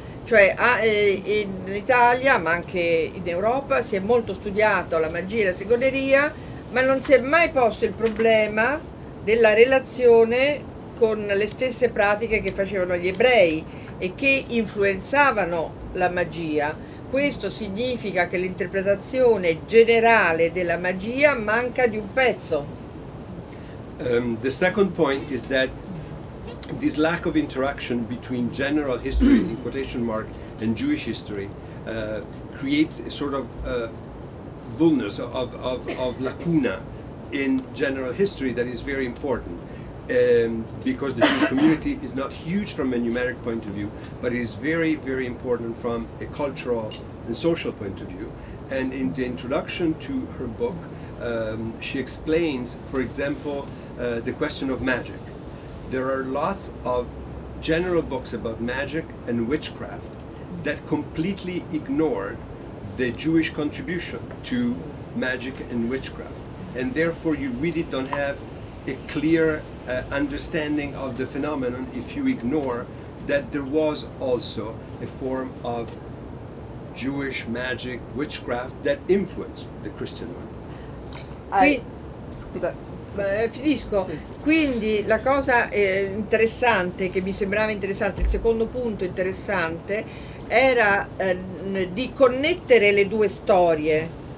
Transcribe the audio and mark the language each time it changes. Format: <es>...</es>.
<it>Cioè in Italia, ma anche in Europa, si è molto studiato la magia e la stregoneria, ma non si è mai posto il problema della relazione con le stesse pratiche che facevano gli ebrei e che influenzavano la magia. Questo significa che l'interpretazione generale della magia manca di un pezzo.</it> <en>The second point is that this lack of interaction between general history, in quotation mark, and Jewish history creates a sort of vulnus, of lacuna in general history that is very important, because the Jewish community is not huge from a numeric point of view, but it is very, very important from a cultural and social point of view. And in the introduction to her book, she explains, for example, the question of magic. There are lots of general books about magic and witchcraft that completely ignored the Jewish contribution to magic and witchcraft. And therefore you really don't have a clear understanding of the phenomenon if you ignore that there was also a form of Jewish magic, witchcraft, that influenced the Christian one.</en> <it>Scusa, finisco. Sì. Quindi la cosa interessante, che mi sembrava interessante, il secondo punto interessante, era di connettere le due storie,</it>